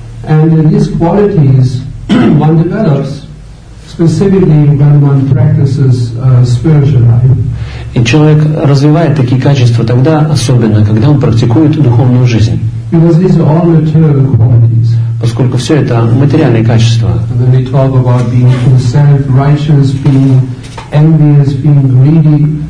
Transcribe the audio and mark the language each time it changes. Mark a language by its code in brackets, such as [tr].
[en] And these qualities one develops specifically when one practices spiritual life. [ru] И человек развивает такие качества тогда, особенно когда он практикует духовную жизнь. [en] Because these are all material qualities. [ru] Поскольку все это материальные качества. [en] And then we talk about being self-righteous, being envious, being greedy.